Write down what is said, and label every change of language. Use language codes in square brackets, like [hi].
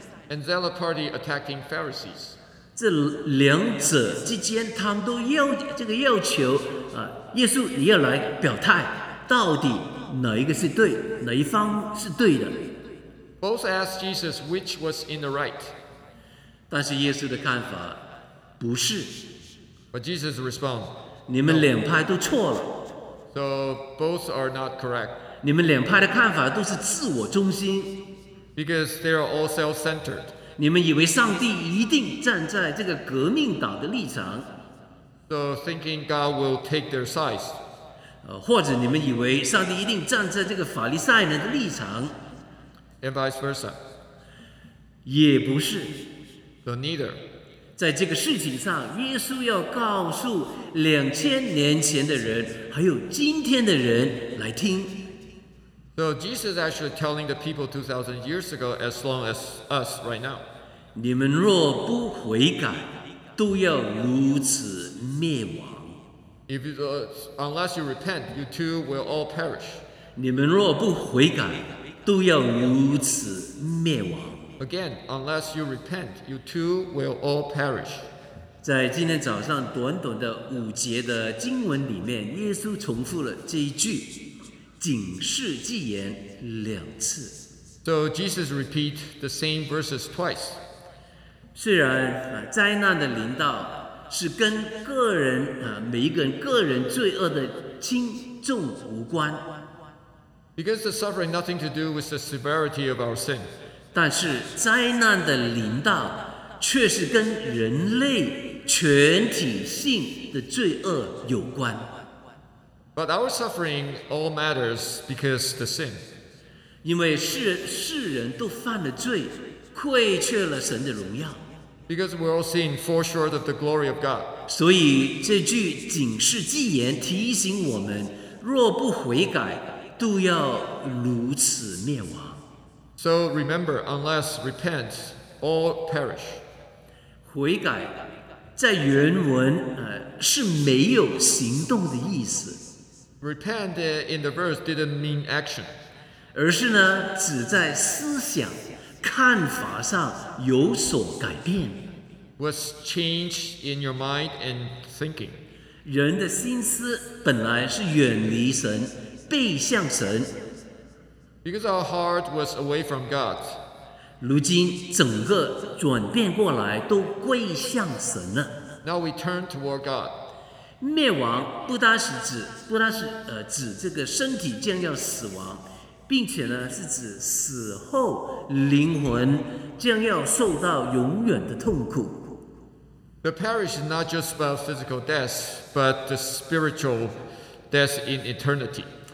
[en] And zealot party attacking Pharisees. [zh] 这两者之间，他们都要这个要求耶稣你要来表态，到底哪一个是对，哪一方是对的。 [en] Both asked Jesus which was in the right. [zh] 但是耶稣的看法不是。 [en] But Jesus responds, [zh] 你们两派都错了。 [en] So both are not correct. [zh] 你们两派的看法都是自我中心。 [en] Because they are all self-centered. [zh] 你们以为上帝一定站在这个革命党的立场。 [en] So thinking God will take their side. [zh] 或者你们以为上帝一定站在这个法利赛人的立场。 [en] And vice versa. [zh] 也不是。 [en] So neither. [zh] 在这个事情上，耶稣要告诉两千年前的人，还有今天的人来听。 [en] So Jesus actually telling the people 2,000 years ago as long as us right now. [zh] 你们若不悔改，都要如此灭亡。 [en] If you unless you repent, you too will all perish. [zh] 你们若不悔改，都要如此灭亡。 [en] Again, unless you repent, you too will all perish. [zh] 在今天早上短短的五节的经文里面，耶稣重复了这一句，警示寄言两次。 [en] So Jesus repeat the same verses twice. [zh] 虽然灾难的临到，是跟个人每一个人个人罪恶的轻重无关。 [en] Because the suffering nothing to do with the severity of our sin. [zh] 但是灾难的临到，却是跟人类全体性的罪恶有关。 [en] But our suffering all matters because the sin. [zh] 因为世人都犯了罪，愧缺了神的荣耀。 [en] Because we're all seen fall short of the glory of God. [zh] 所以这句警示寄言提醒我们，若不悔改，都要如此灭亡。 [en] So remember, unless repent, all perish. [zh] 悔改在原文是没有行动的意思。 [en] Repent in the verse didn't mean action. [zh] 而是呢，只在思想、看法上有所改变。 [en] Was changed in your mind and thinking. [zh] 人的心思本来是远离神，背向神。 [en] Because our heart was away from God. [zh] 如今整个转变过来，都归向神了。 [en] Now we turn toward God. [zh] 灭亡不单是指这个身体将要死亡，并且呢是指死后灵魂将要受到永远的痛苦。 [en] The perish is not just about physical death, but the spiritual death in eternity.